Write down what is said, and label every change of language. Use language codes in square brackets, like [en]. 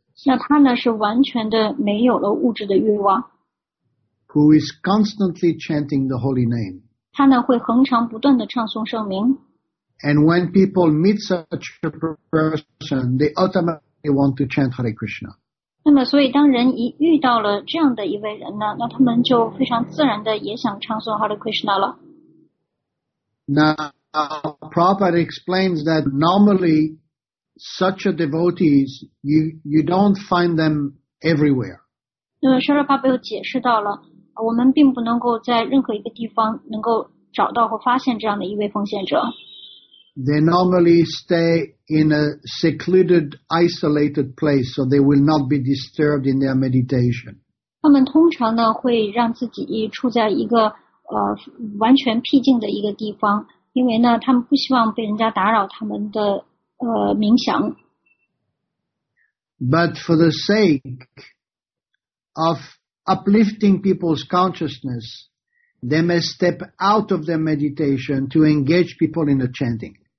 [zh] 那他呢是完全的没有了物质的欲望。 [en] Who is constantly chanting the holy name？ [zh] 他呢会恒常不断的唱诵圣名。 [en] And when people meet such a person, they automatically want to chant Hare Krishna. [zh] 那么所以当人一遇到了这样的一位人呢，那他们就非常自然的也想唱诵 Hare Krishna 了。 [en] Now, Prabhupada explains that normally such a devotees, you don't find them everywhere. [zh] 那么Srila Prabhupada又解释到了，我们并不能够在任何一个地方能够找到或发现这样的一位奉献者。 [en] They normally stay in a secluded, isolated place, so they will not be disturbed in their meditation. [zh] 他们通常呢会让自己处在一个完全僻静的一个地方，因为呢他们不希望被人家打扰他们的冥想。 [en] But for the sake of uplifting people's consciousness, they may step out of their meditation to engage people in the chanting.